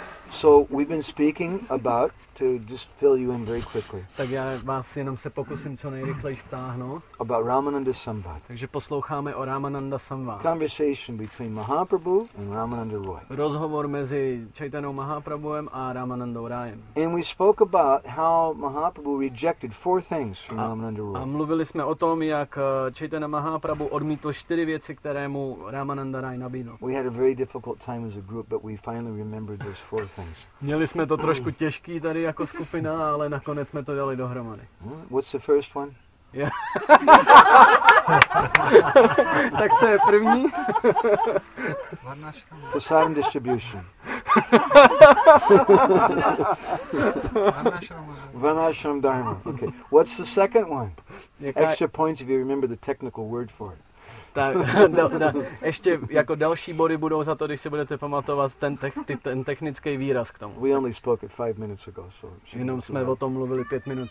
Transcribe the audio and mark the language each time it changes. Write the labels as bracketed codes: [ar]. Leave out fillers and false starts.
[en] So we've been speaking about, to just fill you in very quickly. [cs] Tak já vás jenom se pokusím co nejrychlejší vtáhnout. [en] About Ramananda Samvad. [cs] Takže posloucháme o Ramananda Samvad. [en] Conversation between Mahaprabhu and Ramananda Roy. [cs] Rozhovor mezi Chaitanou Mahaprabhuem a Ramanandou Rayem. [en] And we spoke about how Mahaprabhu rejected four things from Ramananda Roy. [cs] A mluvili jsme o tom, jak Chaitana Mahaprabhu odmítl čtyři věci, které mu Ramananda Roy nabídl. [en] We had a very difficult time as a group, but we finally remembered those four things. [cs] Měli jsme to trošku těžký tady jako skupina, ale nakonec jsme to dali dohromady. [en] What's the first one? Yeah. [cs] Tak co je první? [en] Prasadam distribution. Varnashram dharma. Okay. What's the second one? Extra points if you remember the technical word for it. [cs] Tak, ještě jako další body budou za to, když si budete pamatovat ten technický výraz k tomu. [en] We only spoke it 5 minutes ago, so. [cs] Jenom jsme o tom mluvili 5 minut